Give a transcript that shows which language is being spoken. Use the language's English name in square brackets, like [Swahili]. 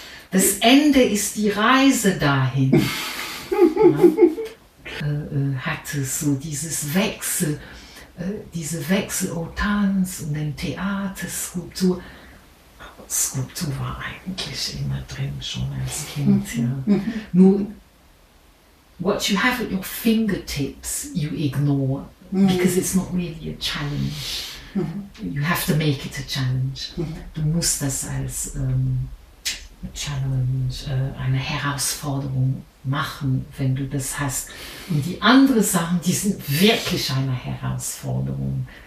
[German] Das Ende ist die Reise dahin. Ja. hatte so dieses Wechsel, diese Wechsel und Tanz und dann Theater, Skulptur. Skulptur war eigentlich immer drin, schon als Kind. Ja. Nun, [English] what you have at your fingertips, you ignore, because it's not really a challenge. You have to make it a challenge. [German] Du musst das als Challenge, eine Herausforderung machen, wenn du das hast. Und die anderen Sachen, die sind wirklich eine Herausforderung.